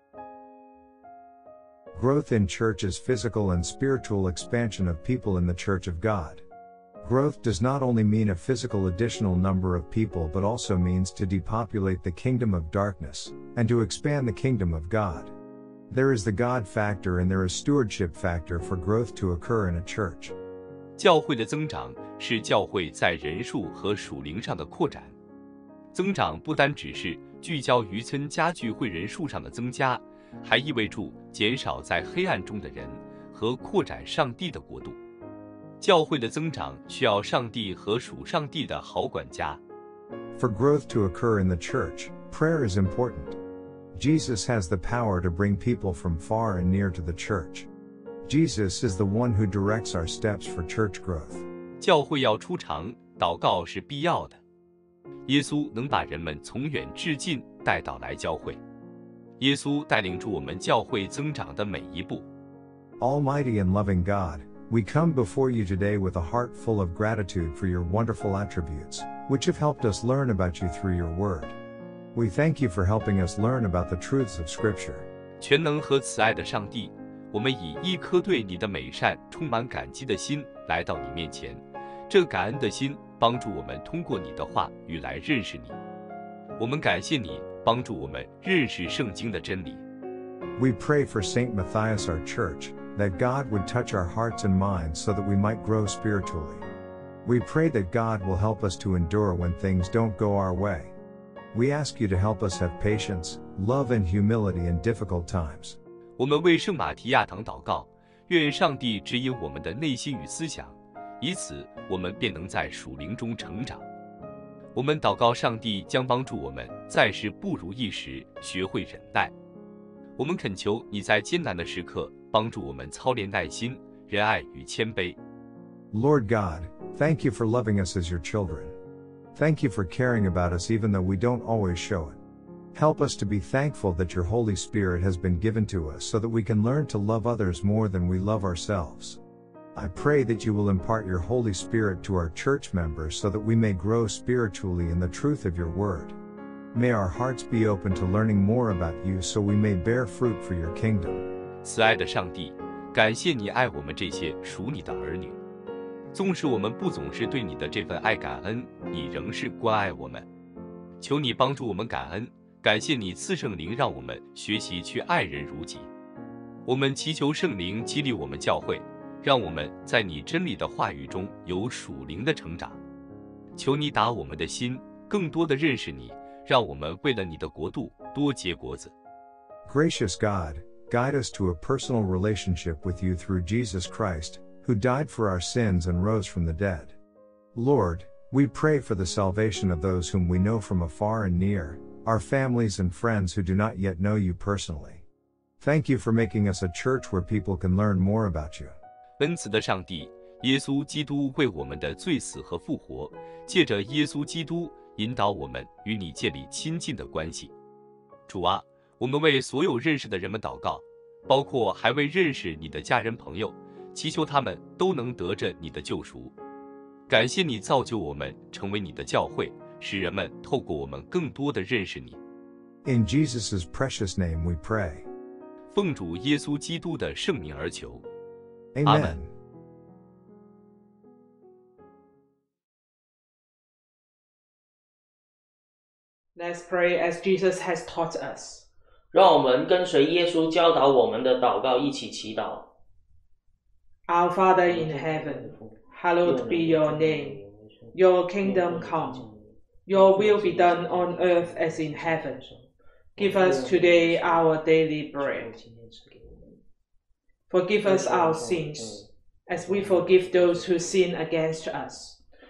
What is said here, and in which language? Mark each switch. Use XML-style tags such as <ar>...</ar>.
<en>。Growth in church is physical and spiritual expansion of people in the Church of God. Growth does not only mean a physical additional number of people but also means to depopulate the kingdom of darkness, and to expand the kingdom of God. There is the God factor and there is stewardship factor for growth to occur in a church.</en> <zh>教会的增长是教会在人数和属灵上的扩展。增长不单只是聚焦于增加聚会人数上的增加，还意味着减少在黑暗中的人和扩展上帝的国度。教会的增长需要上帝和属上帝的好管家。</zh> <en>For growth to occur in the church, prayer is important. Jesus has the power to bring people from far and near to the church. Jesus is the one who directs our steps for church growth.</en> <zh>教会要出场，祷告是必要的。耶稣能把人们从远至近带到来教会。耶稣带领着我们教会增长的每一步。</zh> <en>Almighty and loving God, we come before you today with a heart full of gratitude for your wonderful attributes, which have helped us learn about you through your word. We thank you for helping us learn about the truths of Scripture.</en> <zh>全能和慈爱的上帝，我们以一颗对你的美善充满感激的心来到你面前，这感恩的心帮助我们通过你的话语来认识你。我们感谢你帮助我们认识圣经的真理。</zh> <en>We pray for St. Matthias, our church, that God would touch our hearts and minds so that we might grow spiritually. We pray that God will help us to endure when things don't go our way. We ask you to help us have patience, love and humility in difficult times.</en> <zh>我们为圣马提亚堂祷告，愿上帝指引我们的内心与思想，以此我们便能在属灵中成长。我们祷告上帝将帮助我们在时不如意时学会忍耐。我们恳求你在艰难的时刻帮助我们操练耐心、仁爱与谦卑。</zh> <en>Lord God, thank you for loving us as your children. Thank you for caring about us even though we don't always show it. Help us to be thankful that your Holy Spirit has been given to us so that we can learn to love others more than we love ourselves. I pray that you will impart your Holy Spirit to our church members so that we may grow spiritually in the truth of your word. May our hearts be open to learning more about you so we may bear fruit for your kingdom.</en> <zh>慈爱的上帝，感谢你爱我们这些属你的儿女。纵使我们不总是对你的这份爱感恩，你仍是关爱我们。求你帮助我们感恩，感谢你赐圣灵让我们学习去爱人如己。我们祈求圣灵激励我们教会，让我们在你真理的话语中有属灵的成长。求你打我们的心，更多的认识你，让我们为了你的国度多结果子。</zh> <en>Gracious God, guide us to a personal relationship with you through Jesus Christ, who died for our sins and rose from the dead. Lord, we pray for the salvation of those whom we know from afar and near, our families and friends who do not yet know you personally. Thank you for making us a church where people can learn more about you.</en> <zh>恩慈的上帝，耶稣基督为我们的罪死和复活，借着耶稣基督引导我们与你建立亲近的关系。主啊，我们为所有认识的人们祷告，包括还未认识你的家人朋友，祈求他们都能得着你的救赎。感谢你造就我们成为你的教会，使人们透过我们更多的认识你。</zh> <en>In Jesus's precious name we pray.</en> <zh>奉主耶稣基督的圣名而求。</zh> <en>Amen. Let's pray as Jesus has taught us.</en> <zh>让我们跟随耶稣教导我们的祷告一起祈祷。</zh> <en>Our Father in heaven, hallowed be your name. Your kingdom come. Your will be done on earth as in heaven. Give us today our daily bread. Forgive us our sins, as we forgive those who sin against us.</en>